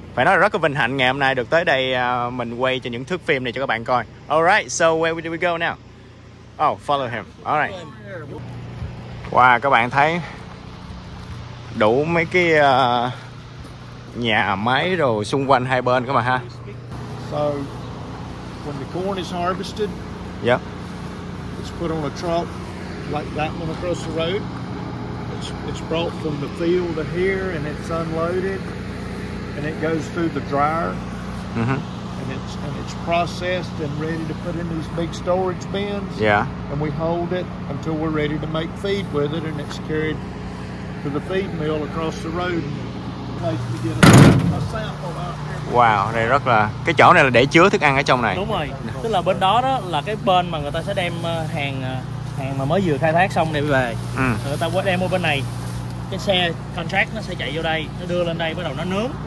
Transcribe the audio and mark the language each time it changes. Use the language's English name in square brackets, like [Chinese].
[Vietnamese] Phải nói là rất là vinh hạnh ngày hôm nay được tới đây mình quay cho những thước phim này cho các bạn coi. [English] Alright, so where do we go now? Oh, follow him. Alright. [Vietnamese] Wow, các bạn thấy đủ mấy cái nhà máy rồi xung quanh hai bên các bạn ha. [English] So when the corn is harvested, yep, it's put on a truck like that one across the road. It's brought from the field to here and it's unloaded and it goes through the dryer. Mm-hmm. And it's processed and ready to put in these big storage bins. Yeah. And we hold it until we're ready to make feed with it, and it's carried to the feed mill across the road and to get a sample out. [Vietnamese] Wow, đây rất là, cái chỗ này là để chứa thức ăn ở trong này. Đúng rồi. Tức là bên đó đó là cái bên mà người ta sẽ đem hàng mà mới vừa khai thác xong này về. Ừ. Người ta qua đem ở bên này. Cái xe contract nó sẽ chạy vô đây, nó đưa lên đây bắt đầu nó nướng.